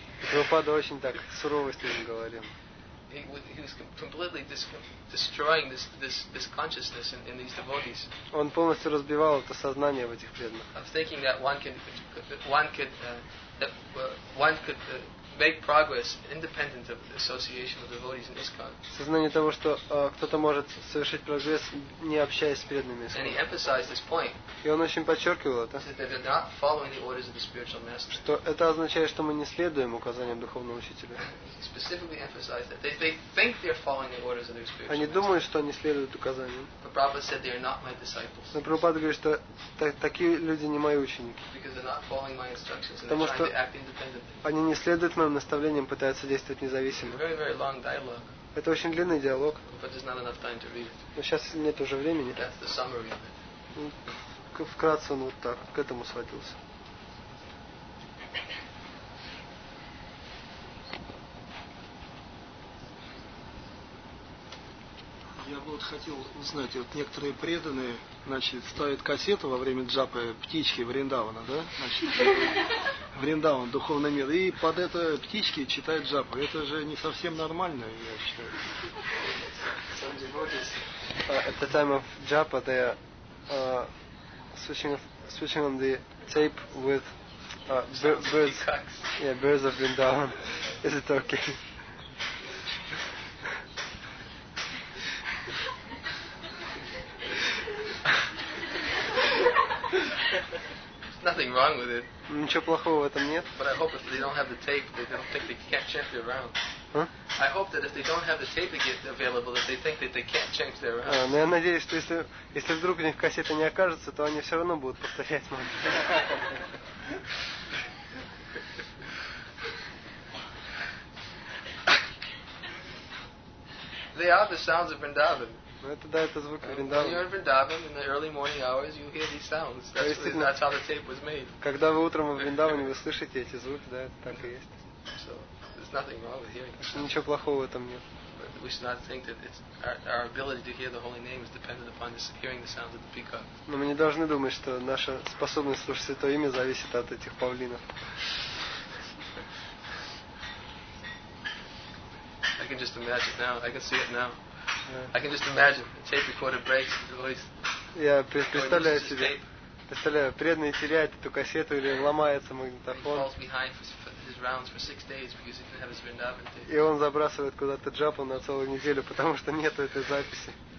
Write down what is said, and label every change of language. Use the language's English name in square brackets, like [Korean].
[Russian] Прабхупада очень так сурово с ним говорил. [English] He was completely destroying this consciousness in these devotees. [Russian] Он полностью разбивал это сознание в этих преданных. [English] Of thinking that one could make progress independent of the association of devotees in ISKCON. [Russian] Сознание того, что кто-то может совершить прогресс, не общаясь с преданными. [English] And he emphasized this point. [Russian] И он очень подчеркивал это. [English] That they're not following the orders of the spiritual master. [Russian] Что это означает, что мы не следуем указаниям духовного учителя. [English] Specifically emphasized that they think they're following the orders of their spiritual master. [Russian] Они думают, что они следуют указаниям. [English] But Prabhupada said they are not my disciples. [Russian] Но Прабхупада говорит, что такие люди не мои ученики. [English] Because they're not following my instructions and they're trying to act independently. [Russian] Они не следуют моим наставлениям, пытаются действовать независимо. [English] Very, very long dialogue. [Russian] Это очень длинный диалог. [English] But there's not enough time to read it. [Russian] Но сейчас нет уже времени. [English] That's the summary of it. [Russian] Вкратце он вот так к этому сводился. Я вот хотел узнать, вот некоторые преданные, значит, ставят кассету во время джапы птички Вриндавана, да? Значит, Вриндаван, духовный мир, и под это птички читают джапу. Это же не совсем нормально, я считаю. [English] At the time of japa, they are switching on the tape with birds. Yeah, birds of Vrindavan. Is it okay? Nothing wrong with it. [Russian] Ничего плохого в этом нет. [English] But I hope if they don't have the tape, they don't think they can't change their round. Huh? I hope that if they don't have the tape available, that they think that they can't change their round. [Russian] Но я надеюсь, что если вдруг у них кассета не окажется, то они все равно будут повторять мантру. [English] They are the sounds of Vrindavan. [Russian] Это, да, это звук Вриндавана. [English] When you're in Vrindavan in the early morning hours, you hear these sounds. That's how the tape was made. [Russian] Когда вы утром в Вриндаване, вы слышите эти звуки, да, это так и есть. [English] So there's nothing wrong with hearing. [Russian] Что ничего плохого в этом нет. [English] We should not think that it's our ability to hear the holy name is dependent upon hearing the sounds of the peacock. [Russian] Но мы не должны думать, что наша способность слушать Святое Имя зависит от этих павлинов. [English] I can just imagine now. I can see it now. I can just imagine a tape recorder breaks and the voice. [Russian] Я представляю себе. Представляю, преданный теряет эту кассету или ломается магнитофон. [English] He falls behind his rounds for 6 days because he didn't have his Vrindavan tape. [Russian] И он забрасывает куда-то джапу на целую неделю, потому что нету этой записи.